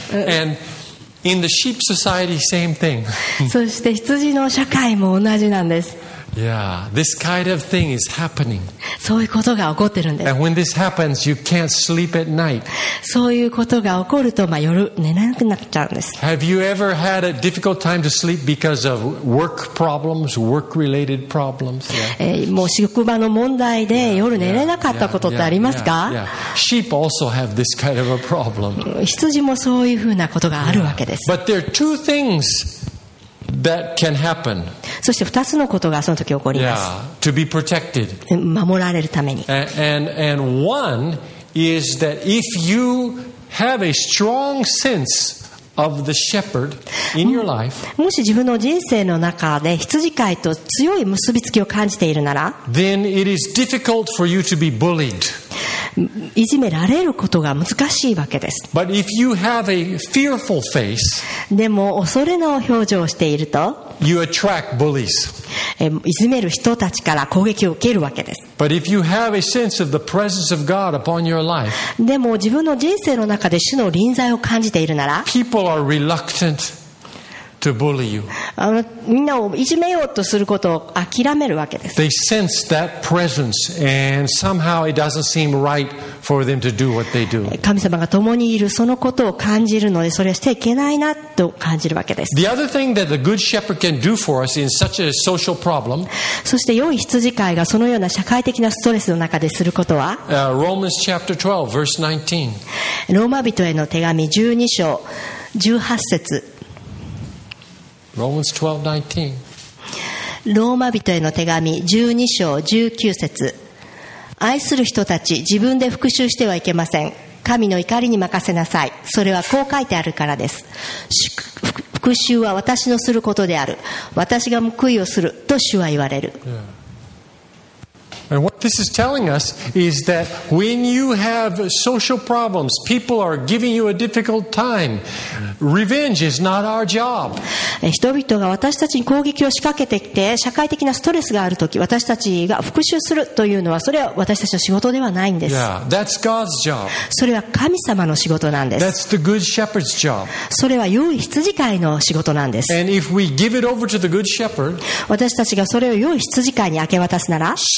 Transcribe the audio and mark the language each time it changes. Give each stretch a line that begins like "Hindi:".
English: And in the sheep society, same thing.
Japanese: そして羊の社会も同じなんです。
English: Yeah, this kind of thing is happening.
Japanese: そういうことが起こってるんです。
English: And when this happens, you can't sleep at night.
Japanese: そういうことが起こると、まあ、夜寝なくなっちゃうんです。
English: Have you ever had a difficult time to sleep because of work problems, work-related problems? Yeah.
Japanese: もう職場の問題で夜寝れなかったことってありますか？
English: Sheep also have this kind of a problem.
Japanese: 羊もそういうふうなことがあるわけです。
English: But there are two things. That can happen.
Japanese: そして二つのことがその時起こります。
English: Yeah, to be protected.
Japanese: 守られるために。
English: And one is that if you have a strong sense of the shepherd in your life,
Japanese: もし自分の人生の中で羊飼いと強い結びつきを感じているなら、
English: then it is difficult for you to be bullied.
Japanese: いじめられることが難しいわけです。
English: But if you have a fearful face,
Japanese: でも恐れの表情をしていると、
English: you attract bullies.
Japanese: いじめる人たちから攻撃を受けるわけです。
English: But if you have a sense of the presence of God upon your life,
Japanese: でも自分の人生の中で主の臨在を感じているなら、
English: people are reluctant to bully you.
Japanese: みんなをいじめようとすることを諦めるわけです。
English: They sense that presence and somehow it doesn't seem right for them to do what they do.
Japanese: 神様が共にいるそのことを感じるのでそれはしていけないなと感じるわけです。
English: The other thing that the good shepherd can do for us in such a social problem.
Japanese: そして良い羊飼いがそのような社会的なストレスの中ですることは、
English: Romans chapter 12 verse 19.
Japanese: ローマ人への手紙12章18節。
English: Romans 12:19.
Japanese: ローマ人への手紙12章19節。愛する人たち、自分で復讐してはいけません。神の怒りに任せなさい。それはこう書いてあるからです。復讐は私のすることである。私が報いをすると主は言われる。
English: And what this is telling us is that when you have social problems, people are giving you a difficult time. Revenge is not our job.
Japanese: 人々が私たちに攻撃を仕掛けてきて、社会的なストレスがあるとき、私たちが復讐するというのは、それは私たちの仕事ではないんです。
English: Yeah, that's God's job.
Japanese: それは神様の仕事なんです。
English: That's the good shepherd's job.
Japanese: それは良い羊飼いの仕事なんです。
English: And if we give it over to the good shepherd,
Japanese: 私たちがそれを良い羊飼いに明け渡すなら、